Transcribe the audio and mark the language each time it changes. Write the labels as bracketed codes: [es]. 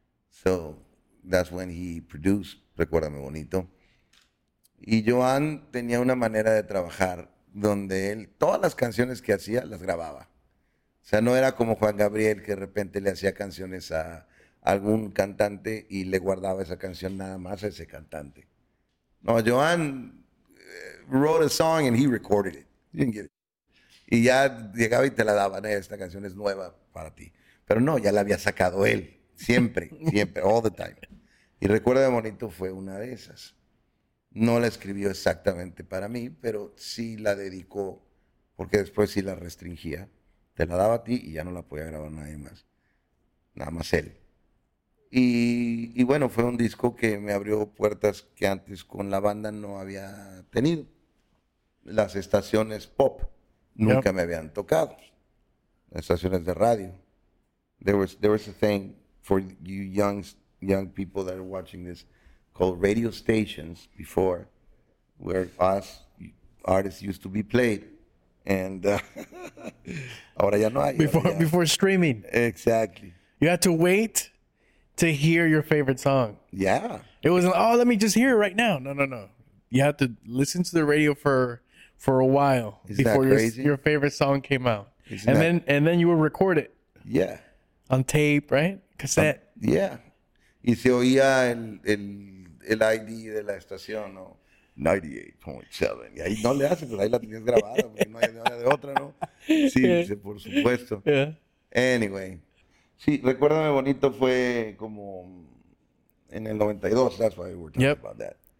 [en] So that's when he produced Recuérdame Bonito. [es] Y Joan tenía una manera de trabajar donde él, todas las canciones que hacía, las grababa. O sea, no era como Juan Gabriel, que de repente le hacía canciones a algún cantante y le guardaba esa canción nada más a ese cantante. [en] No, Joan wrote a song and he recorded it. He didn't get it. [es] Y ya llegaba y te la daba, esta canción es nueva para ti. Pero no, ya la había sacado él, siempre, siempre, all the time. Y Recuérdame Bonito fue una de esas. No la escribió exactamente para mí, pero sí la dedicó, porque después sí la restringía. Te la daba a ti y ya no la podía grabar nadie más. Nada más él. Y bueno, fue un disco que me abrió puertas que antes con la banda no había tenido. Las estaciones pop nunca me habían tocado. Las estaciones de radio. [en] There was a thing for you young people that are watching this, called radio stations before, where us artists used to be played, and ahora ya no hay. Before streaming. Exactly. You had to wait to hear your favorite song. Yeah. It wasn't, oh, let me just hear it right now. No. You had to listen to the radio for a while. Isn't before that crazy? Your favorite song came out. And then you would record it. Yeah. On tape, right? Cassette. [es] Y se oía el ID de la estación, ¿no? 98.7. Y ahí no le haces, pues ahí la tenías grabada, porque no hay de otra, ¿no? Sí, dice, por supuesto. [en] Yeah. Anyway. [es] Sí, Recuérdame Bonito fue como en el 92, that's why we were talking about that.